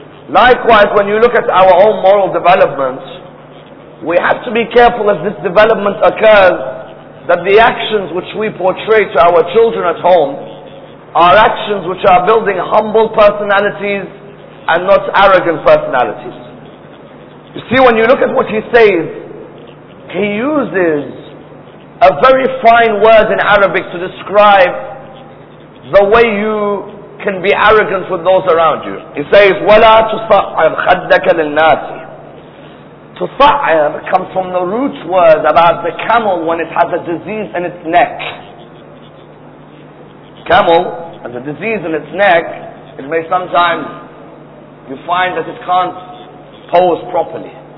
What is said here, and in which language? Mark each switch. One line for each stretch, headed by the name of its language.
English: Likewise, when you look at our own moral development, we have to be careful as this development occurs, that the actions which we portray to our children at home are actions which are building humble personalities and not arrogant personalities. You see, when you look at what he says, he uses a very fine word in Arabic to describe the way you can be arrogant with those around you. He says,
Arabic: وَلَا تُصَعِرْ خَدَّكَ لِلنَّاسِ.
English: تُصَعِرْ comes from the root word about the camel when it has a disease in its neck. Camel has a disease in its neck, it may sometimes, you find that it can't pose properly.